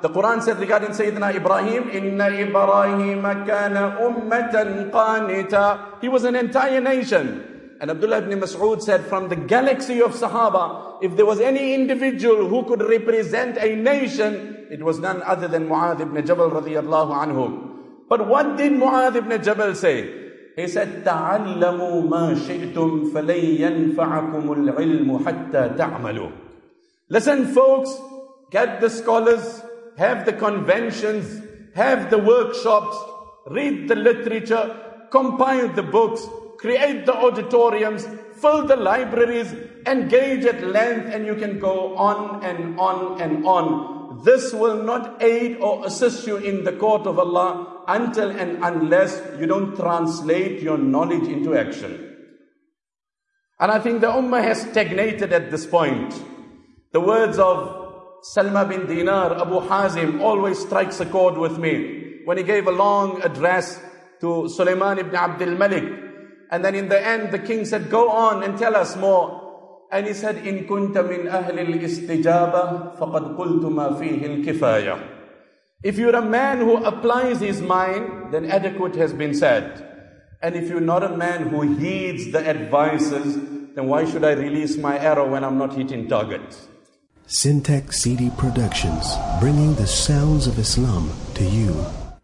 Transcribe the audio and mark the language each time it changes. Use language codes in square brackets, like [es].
[en] The Quran said regarding Sayyidina Ibrahim, [ar] إِنَّ إِبْرَاهِيمَ كَانَ أُمَّةً قَانِتًا. [en] He was an entire nation. And Abdullah ibn Mas'ud said, from the galaxy of Sahaba, if there was any individual who could represent a nation, it was none other than Mu'adh ibn Jabal radiallahu anhu. But what did Mu'adh ibn Jabal say? He said, [ar] تَعَلَّمُوا مَا شِئْتُمْ فَلَنْ يَنْفَعَكُمُ الْعِلْمُ حَتَّى تَعْمَلُوا. [en] Listen folks, get the scholars, have the conventions, have the workshops, read the literature, compile the books, create the auditoriums, fill the libraries, engage at length, and you can go on and on and on. This will not aid or assist you in the court of Allah until and unless you don't translate your knowledge into action. And I think the ummah has stagnated at this point. The words of Salma bin Dinar, Abu Hazim, always strikes a chord with me. When he gave a long address to Sulaiman ibn Abdul Malik. And then in the end, the king said, go on and tell us more. And he said, [ar] إِن كُنْتَ مِنْ أَهْلِ الْإِسْتِجَابَةِ فَقَدْ قُلْتُ مَا فِيهِ الْكِفَايَةِ. [en] If you're a man who applies his mind, then adequate has been said. And if you're not a man who heeds the advices, then why should I release my arrow when I'm not hitting targets? Syntax CD Productions, bringing the sounds of Islam to you.